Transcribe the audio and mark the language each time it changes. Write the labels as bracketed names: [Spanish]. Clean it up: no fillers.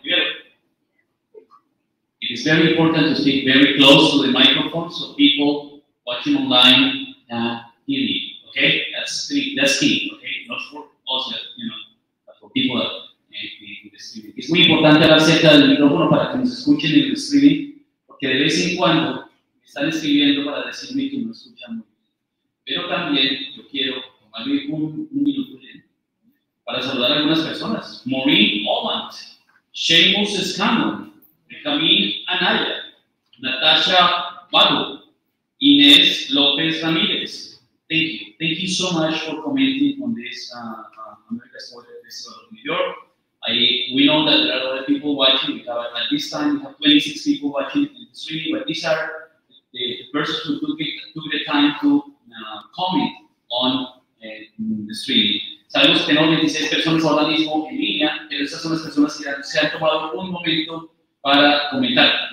[English] Primero, it is very important to speak very close to the microphone so people watching online hear you. Okay, that's key. Okay, not for us, you know, but for people that in the streaming. [Spanish] Es muy importante la cerca del micrófono para que nos escuchen en el streaming, porque de vez en cuando me están escribiendo para decirme que no escuchan muy bien. Pero también yo quiero tomar un minuto para saludar a algunas personas. [English] Maureen Oland, Seamus Scanlon, Benjamín Anaya, Natasha Badu, Inés López Ramírez. Thank you. Thank you so much for commenting on this America's Voice episode of New York. We know that there are other people watching. At this time, we have 26 people watching in the streaming, but these are the persons who took the time to comment on the streaming. [Spanish] Sabemos que no 26 personas ahora mismo en línea, pero esas son las personas que se han tomado un momento para comentar.